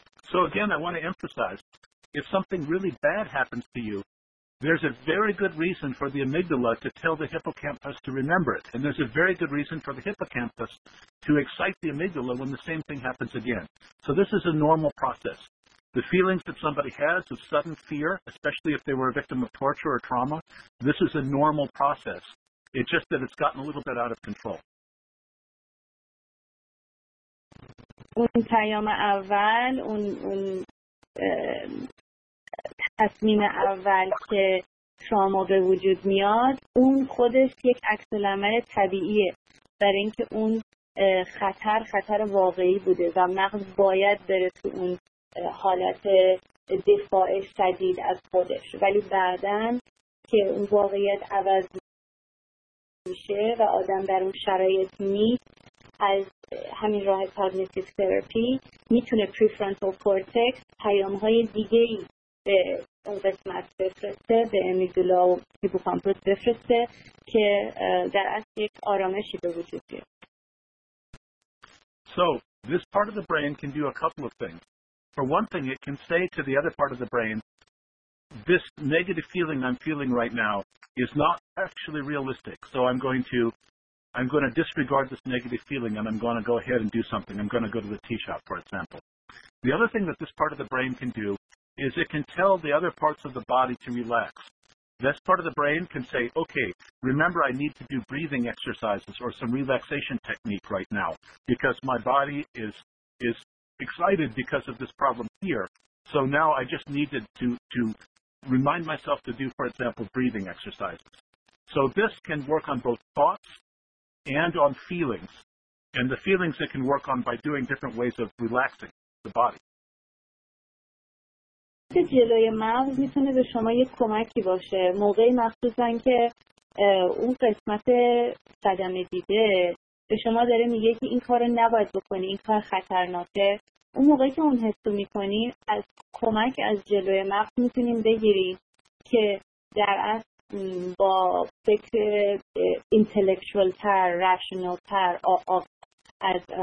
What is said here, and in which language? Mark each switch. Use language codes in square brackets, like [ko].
[en] So again, I want to emphasize, if something really bad happens to you, there's a very good reason for the amygdala to tell the hippocampus to remember it. And there's a very good reason for the hippocampus to excite the amygdala when the same thing happens again. So this is a normal process. The feelings that somebody has of sudden fear, especially if they were a victim of torture or trauma, this is a normal process. It's just that it's gotten a little bit out of control. [fa] اون پیام اول، اون تصمیم اول که تراما به وجود میاد، اون خودش یک عکس العمل طبیعیه، برای اینکه اون خطر واقعی بوده و مغز باید بره تو اون حالت دفاع شدید از خودش. ولی بعدن که اون واقعیت عوض میشه و آدم در اون شرایط نیست، از همین راه کاگنیتیو تراپی میتونه پریفرانتال کورتکس پیام‌های دیگه‌ای به اون قسمت بفرسته، به امیگدالا و هیپوکامپوس بفرسته که در اصل یک آرامشی به وجود بیاره. [en] So, this part of the brain can do a couple of things. For one thing, it can say to the other part of the brain, this negative feeling I'm feeling right now is not actually realistic, so I'm going to disregard this negative feeling and I'm going to go ahead and do something. I'm going to go to the tea shop, for example. The other thing that this part of the brain can do is it can tell the other parts of the body to relax. This part of the brain can say, okay, remember I need to do breathing exercises or some relaxation technique right now because my body is excited because of this problem here. So now I just need to remind myself to do, for example, breathing exercises. So this can work on both thoughts and on feelings, and the feelings it can work on by doing different ways of relaxing the body. [fa] جلوی مغز میتونه به شما یه کمکی باشه موقعی، مخصوصا که اون قسمت صدمه دیده به شما داره میگه که این کار رو نباید بکنی، این کار خطرناکه. اون موقعی که اون حسو میکنی، از کمک از جلوی مغز میتونیم بگیری که در اصل با فکر اینتلیکچوال تر، راشنال تر، از